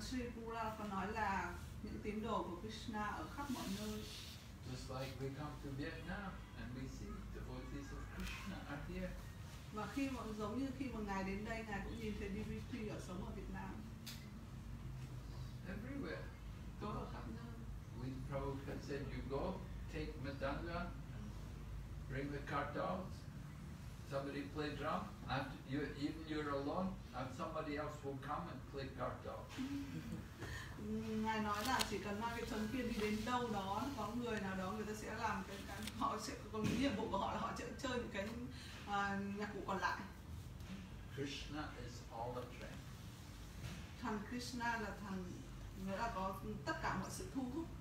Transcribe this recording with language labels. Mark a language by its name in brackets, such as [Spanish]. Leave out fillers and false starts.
[Vietnamese] Sri Prabhupada còn nói là những tín đồ của Krishna ở khắp mọi nơi. [English] Just like we come to Vietnam and we see devotees of Krishna are here. [Vietnamese] Và khi mà giống như khi mà ngài đến đây, ngài cũng nhìn thấy DVP ở sống ở Việt Nam. [English] Everywhere. [Vietnamese] Có ở khắp nơi. [English] When Prabhupada said, you go, take Madanga, bring the cart out, somebody play drum, and you, even you're alone, and somebody else will come and play kartal. [Vietnamese] Ngài nói là chỉ cần mang cái trống kia đi đến đâu đó, có người nào đó người ta sẽ làm cái họ sẽ có nhiệm vụ của họ là họ sẽ chơi những cái nhạc cụ còn lại. [English] Krishna is all the trend. [Vietnamese] Thần Krishna là thần nghĩa là có tất cả mọi sự thu hút.